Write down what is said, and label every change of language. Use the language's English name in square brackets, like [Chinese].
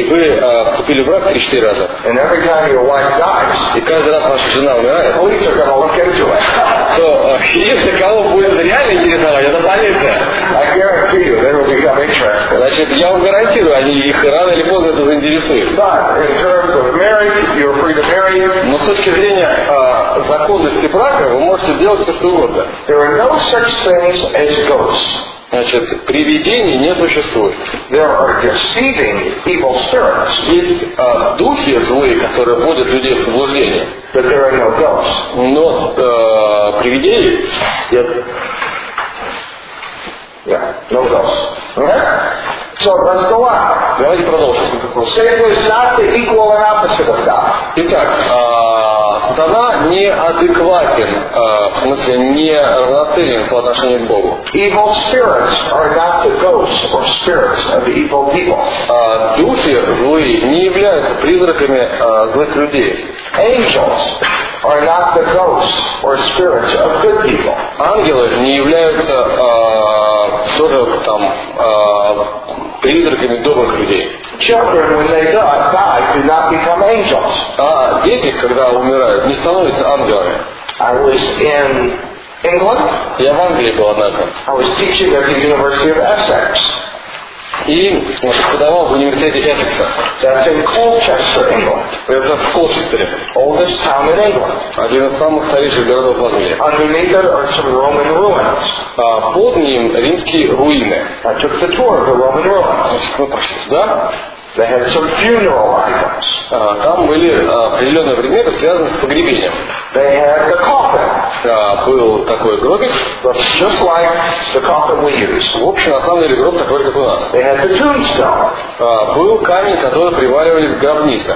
[Russian] и вы вступили в брак 3-4 раза, [English] and every time your wife dies, [Russian] и каждый раз ваша жена умирает, [English] the police are gonna look into it. [Russian] То если кого будет реально интересовать, это полиция. [English] I guarantee you, they will become interested. [Russian] Значит, я вам гарантирую, они их рано или поздно это заинтересует. [English] But in terms of marriage, you're free to marry. [Russian] Но с точки зрения законности брака, вы можете делать все, что угодно. [English] There are no such things as ghosts. [Russian] Значит, привидений не существует. [English] There are deceiving evil spirits. [Russian] Есть духи злые, которые вводят людей в заблуждение. [English] But there are no ghosts. [Russian] Но привидений нет. [English] Yeah, no ghosts. Okay? So let's go on. [Russian] Давайте продолжим. [English] Satan is not the equal and opposite of God. [Russian] Итак, сатана неадекватен, в смысле не равноценен по отношению к Богу. [English] Evil spirits are not the ghosts or spirits of the evil people. [Russian] Духи злые не являются призраками злых людей. [English] Angels are not the ghosts or spirits of good people. [Russian] Ангелы не являются тоже там призраками добрых людей. [English] Children, when they die, do not become angels. [Russian] А дети, когда умирают, не становятся ангелами. [English] I was in England. [Russian] Я в Англии был однажды. [English] I was teaching at the University of Essex. [Russian] И преподавал в университете Эссекса. [English] That's in Colchester, England. [Russian] Это в Колчестере. [English] Oldest town in England. [Russian] Один из самых старейших городов в Англии. [English] Underneath it are some Roman ruins. [Russian] Под ним римские руины. [English] I took the tour of the Roman ruins. [Russian] Мы пошли туда. [English] They had some funeral items. [Russian] Там были определенные предметы, связанные с погребением. [English] They had the coffin. [Russian] Был такой гробик. [English] Just like the coffin we use. [Russian] В общем, на самом деле гроб такой, как у нас. [English] They had the tombstone. [Russian] Был камень, который приваривали к гробнице.